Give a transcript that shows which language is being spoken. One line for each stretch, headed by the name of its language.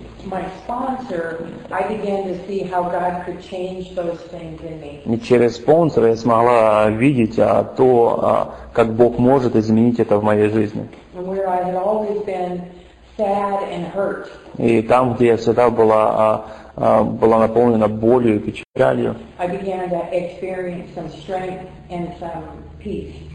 English: My sponsor, I began to see how God could change those things in me.
Russian: Не через спонсора я смогла видеть, а то, как Бог может изменить это в моей жизни.
English: And where I had always been sad and hurt.
Russian: И там, где я всегда была наполнена болью и печалью.
English: I began to experience some strength and some peace.